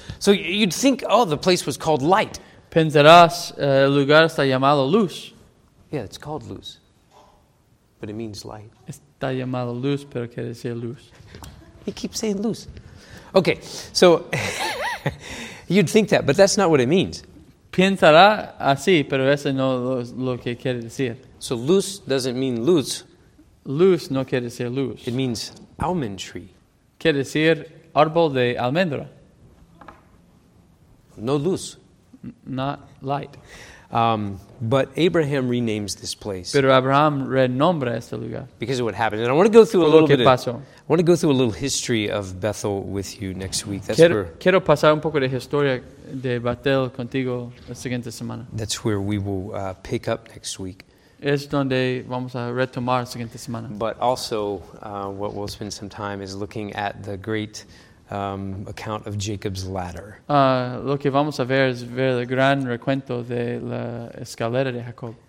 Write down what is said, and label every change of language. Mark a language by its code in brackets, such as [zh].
[en] So you'd think, oh, the place was called light. [es] Pensarás, el lugar está llamado luz. [en] Yeah, it's called luz, but it means light. [es] Está llamado luz, pero quiere decir luz. [en] He keeps saying luz. Okay, so you'd think that, but that's not what it means. [es] Pensará así, pero eso no es lo que quiere decir. [en] So luz doesn't mean luz. [es] Luz no quiere decir luz. [en] It means almond tree. [es] Quiere decir árbol de almendra. No luz. [en] Not light. But Abraham renames this place. [es] Pero Abraham renombra este lugar. [en] Because of what happened. And I want to go through [es] por [en] a little bit [es] pasó. [en] I want to go through a little history of Bethel with you next week. That's [es] quiero pasar un poco de historia de Bethel contigo la siguiente semana. [en] That's where we will pick up next week. [es] Es donde vamos a retomar la siguiente semana. [en] But also, what we'll spend some time is looking at the great account of Jacob's ladder. [es] Lo que vamos a ver es ver el gran recuento de la escalera de Jacob.